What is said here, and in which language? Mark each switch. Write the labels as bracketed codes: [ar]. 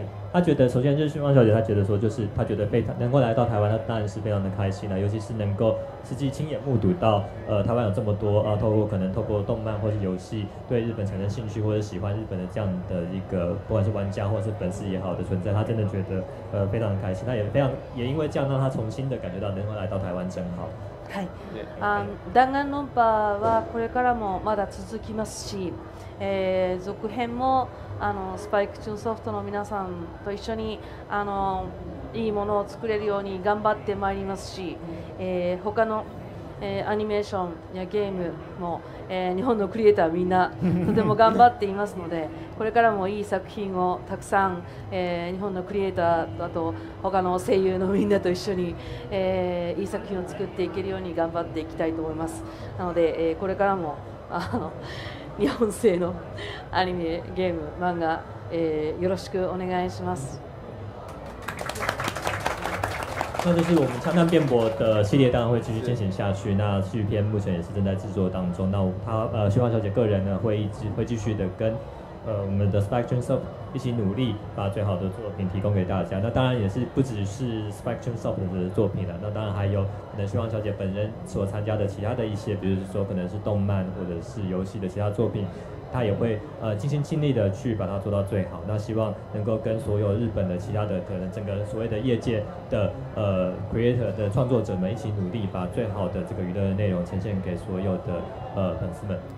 [zh] 他觉得首先就是汪小姐，她觉得说就是她觉得被能够来到台湾，她当然是非常的开心了，尤其是能够实际亲眼目睹到台湾有这么多透过可能透过动漫或是游戏对日本产生兴趣或者喜欢日本的这样的一个不管是玩家或是粉丝也好的存在，她真的觉得非常的开心，她也非常也因为这样让她重新的感觉到能够来到台湾真好。 [ja] はい、弾丸論破はこれからもまだ続きますし、続編もあのスパイクチューンソフトの皆さんと一緒にあのいいものを作れるように頑張ってまいりますし、他の、アニメーションやゲームも、日本のクリエイターみんなとても頑張っていますのでこれからもいい作品をたくさん、日本のクリエイターだと他の声優のみんなと一緒に、いい作品を作っていけるように頑張っていきたいと思います。なので、これからもあの日本製のアニメゲーム漫画、よろしくお願いします。 [zh] 那就是我们《枪弹辩驳》的系列当然会继续进行下去，那续篇目前也是正在制作当中，那他旭芳小姐个人呢会一直会继续的跟我们的 Spectrum Soft 一起努力，把最好的作品提供给大家。那当然也是不只是 Spectrum Soft 的作品了，那当然还有可能旭芳小姐本人所参加的其他的一些，比如说可能是动漫或者是游戏的其他作品，他也会尽心尽力的去把它做到最好，那希望能够跟所有日本的其他的可能整个所谓的业界的creator 的创作者们一起努力，把最好的这个娱乐的内容呈现给所有的粉丝们。